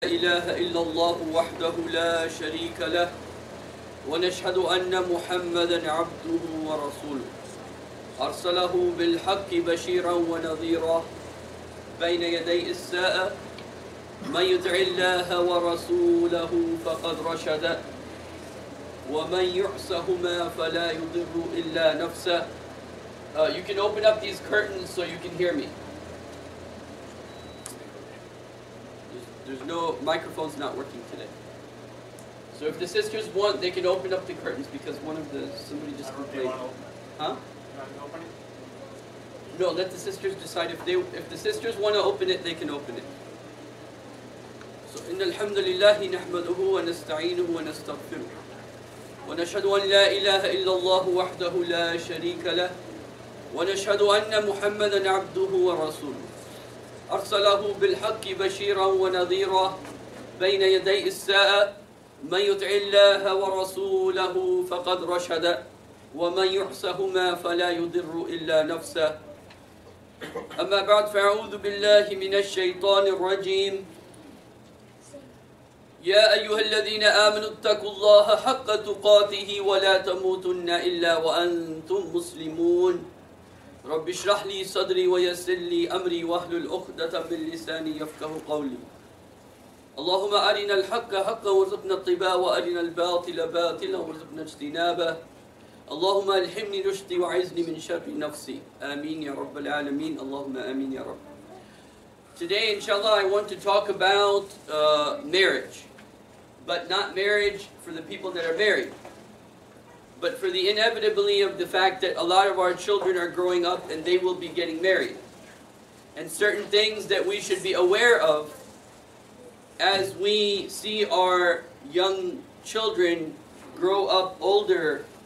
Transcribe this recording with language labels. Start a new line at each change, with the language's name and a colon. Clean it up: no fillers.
Arabic: إله إلا الله وحده لا شريك له ونشهد أن محمدًا عبده ورسوله أرسله بالحق بشيرًا ونظيرًا بين يدي الساعة من يطع الله ورسوله فقد رشد ومن يعصهما فلا يضر إلا نفسه.
English: You can open up these curtains so you can hear me. There's no microphone's not working today. So if the sisters want, they can open up the curtains because somebody just complained. Huh? You want to open it? No, let the sisters decide. If the sisters want to open it, they can open it.
Arabic: So إن الحمد لله نحمده ونستعينه ونستغفره ونشهد أن لا إله إلا الله وحده لا شريك له ونشهد أن محمدا عبده ورسوله أرسله بالحق بشيرا ونذيرا بين يدي الساعة من يطع الله ورسوله فقد رشد ومن يعصهما فلا يضر إلا نفسه. أما بعد فأعوذ بالله من الشيطان الرجيم. يا أيها الذين آمنوا اتقوا الله حق تقاته ولا تموتن إلا وأنتم مسلمون. رب اشرح لي صدري ويسر لي أمري واحلل عقدة من لساني يفقه قولي. اللهم أرنا الحق حقا وارزقنا اتباعه وأرنا الباطل باطلا وارزقنا اجتنابه. اللهم ألهمني رشدي وعزني من شر نفسي. آمين يا رب العالمين. اللهم آمين يا رب.
English: Today inshallah I want to talk about marriage, but not marriage for the people that are married, but for the inevitability of the fact that a lot of our children are growing up and they will be getting married, and certain things that we should be aware of as we see our young children grow up older,